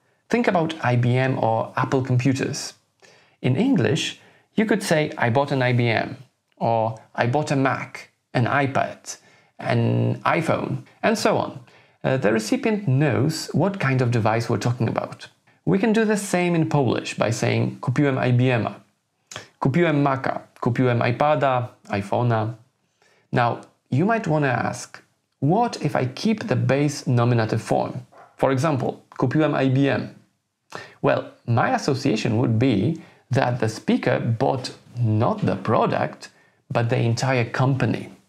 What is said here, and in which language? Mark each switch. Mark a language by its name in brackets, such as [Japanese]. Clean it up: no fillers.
[English] Think about IBM or Apple computers. In English, you could say, I bought an IBM, or I bought a Mac, an iPad, an iPhone, and so on. The recipient knows what kind of device we're talking about. We can do the same in Polish by saying [Polish] kupiłem IBM-a, kupiłem Maca, kupiłem iPada, iPhone'a. [English] Now, you might want to ask, what if I keep the base nominative form? For example, [Polish] kupiłem IBM. [English] Well, my association would be that the speaker bought not the product, but the entire company.